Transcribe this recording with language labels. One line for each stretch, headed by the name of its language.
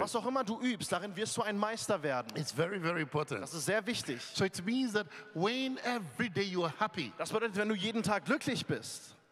German: Was auch immer du übst, darin wirst du ein Meister werden.
English: It's very, very important.
German: Das ist sehr wichtig.
English: So it means that when every day you are happy,
German: das bedeutet, wenn du jeden Tag glücklich bist.